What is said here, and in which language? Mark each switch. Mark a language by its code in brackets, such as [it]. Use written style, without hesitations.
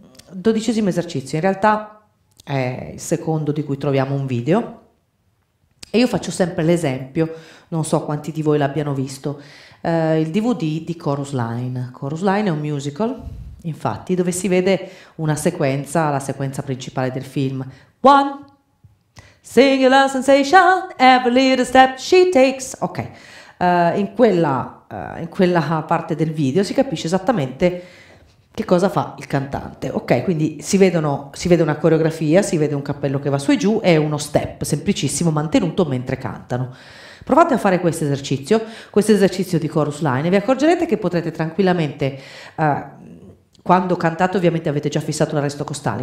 [it] Dodicesimo esercizio, in realtà è il secondo di cui troviamo un video e io faccio sempre l'esempio, non so quanti di voi l'abbiano visto, il DVD di Chorus Line. Chorus Line è un musical, infatti, dove si vede una sequenza, la sequenza principale del film. [en] One, singular sensation, every little step she takes. [it] Ok. In quella parte del video si capisce esattamente che cosa fa il cantante. Ok, quindi si vede una coreografia, si vede un cappello che va su e giù e uno step semplicissimo mantenuto mentre cantano. Provate a fare questo esercizio di Chorus Line, e vi accorgerete che potrete tranquillamente, quando cantate, ovviamente avete già fissato l'arresto costale.